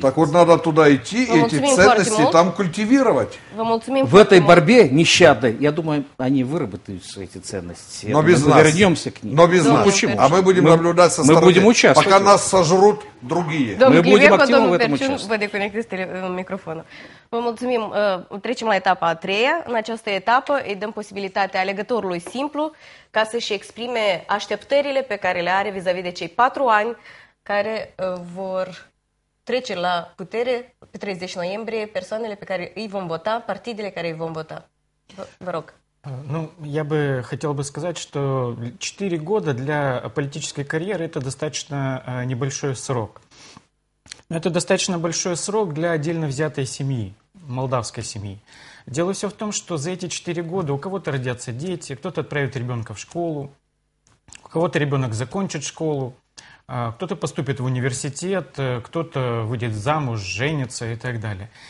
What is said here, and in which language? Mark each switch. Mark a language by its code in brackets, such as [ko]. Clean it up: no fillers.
[ru] Так вот надо туда идти, вы эти ценности партии, там культивировать. В этой борьбе нещадной, я думаю, они выработаются, эти ценности. Но без мы нас. Вернемся к ним. Но без нас. Почему? А мы будем наблюдать со стороны. Мы будем участвовать. Пока нас сожрут другие. Мы будем активно в этом участвовать. [ro] Дом Гливеко, микрофону. Vă mulțumim. Trecem la etapa a treia. În această etapă îi dăm posibilitatea alegătorului simplu ca să-și exprime așteptările pe care le are vis-a-vis de cei 4 ani care vor trece la putere pe 30 noiembrie persoanele pe care îi vom vota, partidele care îi vom vota. Vă rog. [ru] Ну, я бы хотел бы сказать, что 4 года для политической карьеры – это достаточно небольшой срок. Это достаточно большой срок для отдельно взятой семьи, молдавской семьи. Дело все в том, что за эти 4 года у кого-то родятся дети, кто-то отправит ребенка в школу, у кого-то ребенок закончит школу, кто-то поступит в университет, кто-то выйдет замуж, женится и так далее.